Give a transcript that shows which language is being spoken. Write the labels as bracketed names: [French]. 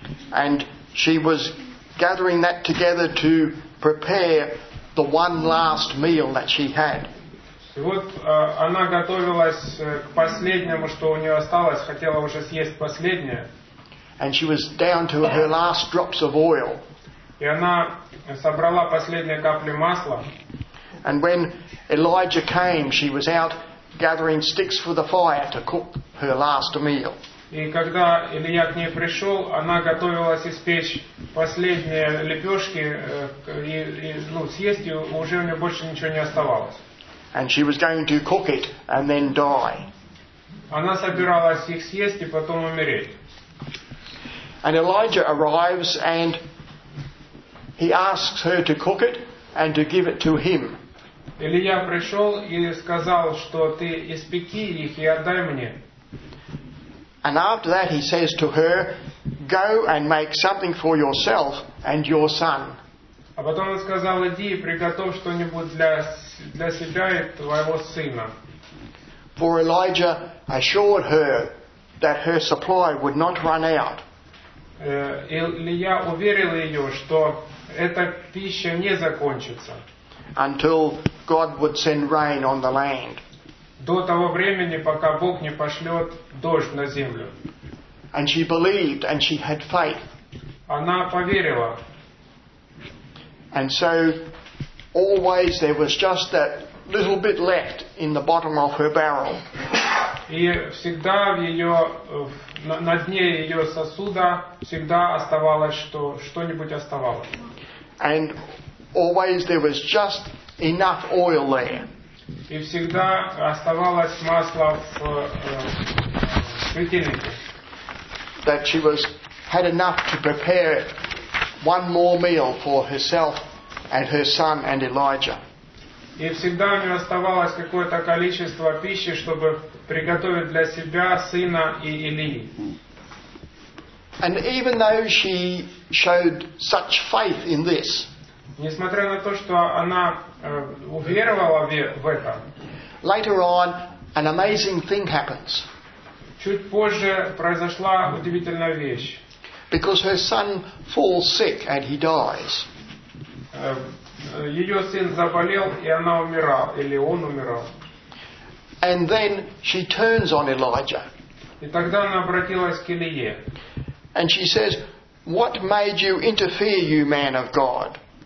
[English] And she was gathering that together to prepare the one last meal that she had. [Russian] И вот она готовилась к последнему, что у нее осталось, хотела уже съесть последнее. [English] And she was down to her last drops of oil. [Russian] И она собрала последние капли масла. [English] And when Elijah came, she was out gathering sticks for the fire to cook her last meal. [Russian] И когда Илия к ней пришел, она готовилась испечь последние лепешки и съесть, и уже у нее больше ничего не оставалось. [English] And she was going to cook it and then die. [Russian] Она собиралась их съесть и потом умереть. [English] And Elijah arrives and he asks her to cook it and to give it to him. [Russian] Илия пришел и сказал, что ты испеки их и отдай мне. [English] And after that he says to her, go and make something for yourself and your son. [Russian] А потом он сказал, иди и приготовь что-нибудь для себя и твоего сына. [English] For Elijah assured her that her supply would not run out. [Russian] Илия уверил ее, что эта пища не закончится. [English] Until God would send rain on the land. [Russian] До того времени, пока Бог не пошлет дождь на землю. [English] And she believed and she had faith. [Russian] Она поверила. [English] And so always there was just that little bit left in the bottom of her barrel. [Russian] И всегда в ее на дне ее сосуда всегда оставалось что-нибудь оставалось. [English] And always there was just enough oil there. [Russian] И всегда оставалось масло в светильнике. [English] That she was had enough to prepare one more meal for herself and her son and Elijah. [Russian] И всегда у нее оставалось какое-то количество пищи, чтобы приготовить для себя сына и Илии. [English] And even though she showed such faith in this, [Russian] несмотря на то, что она уверовала в это, [English] later on, an amazing thing happens. [Russian] Чуть позже произошла удивительная вещь. [English] Because her son falls sick and he dies. [Russian] Ее сын заболел, и она умирала, или он умирал. [English] And then she turns on Elijah. [Russian] И тогда она обратилась к Илие. [English] And she says, "What made you interfere, you man of God?"